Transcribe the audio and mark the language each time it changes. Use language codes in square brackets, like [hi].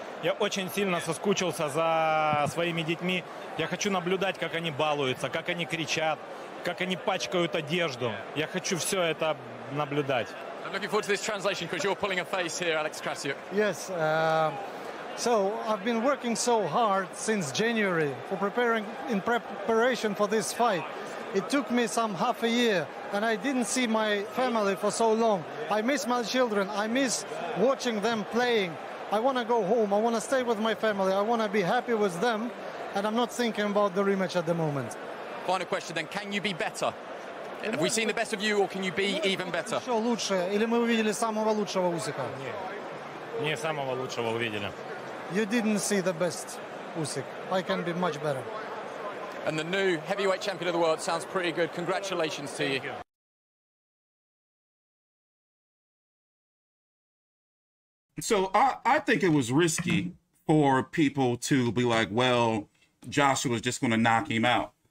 [ru] Я очень сильно соскучился за своими детьми. Я хочу наблюдать, как они балуются, как они кричат, как они пачкают одежду. Я хочу все это наблюдать. [en] I'm looking forward to this translation because you're pulling a face here, Alex Krasiuk. Yes. So I've been working so hard since January for preparation for this fight. It took me some half a year, and I didn't see my family for so long. I miss my children. I miss watching them playing. I want to go home. I want to stay with my family. I want to be happy with them. And I'm not thinking about the rematch at the moment. Final question then. Can you be better? Have we seen the best of you or can you be even better? [ru] Еще лучше? Или мы увидели самого лучшего Усика? Не самого лучшего увидели. [en] You didn't see the best, Usyk. I can be much better. And the new heavyweight champion of the world sounds pretty good. Congratulations to you. So I think it was risky for people to be like, well, Joshua was just going to knock him out.